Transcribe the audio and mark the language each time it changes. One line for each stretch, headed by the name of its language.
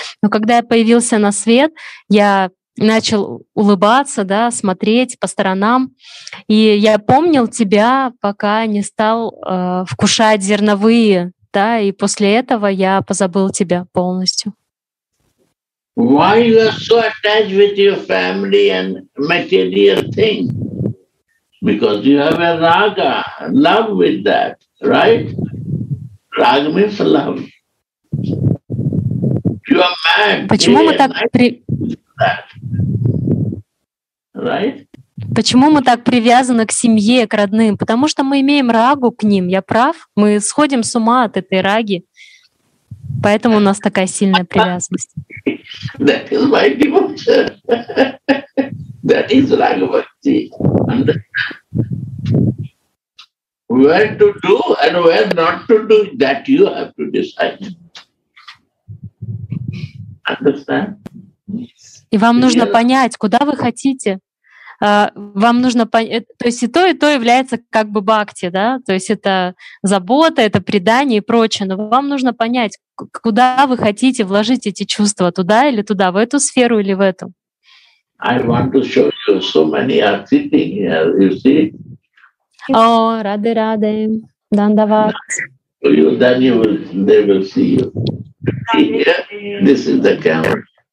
Russian: Но когда я появился на свет, я начал улыбаться, да, смотреть по сторонам. И я помнил тебя, пока не стал вкушать зерновые, да, и после этого я позабыл тебя полностью.
English: Why you are so attached with your family and material thing? Because you have a raga, love with that, right? Raga means love. You are mad.
Russian: Почему мы так
English: Right?
Russian: Почему мы так привязаны к семье, к родным? Потому что мы имеем рагу к ним, я прав? Мы сходим с ума от этой раги. Поэтому у нас такая сильная привязанность.
English: That is my devotion. That is raga bhakti. Where to do and where not to do, that you have to decide. Understand?
Russian: И вам нужно понять, куда вы хотите. Вам нужно понять, то есть и то является как бы бхакти, да, то есть это забота, это предание и прочее, но вам нужно понять, куда вы хотите вложить эти чувства, туда или туда, в эту сферу или в эту.
English: I want to show you so many are sitting here, you see.
Russian: О, рады-рады, дандават.
English: Then you will, they will see you. Here, this is the camera.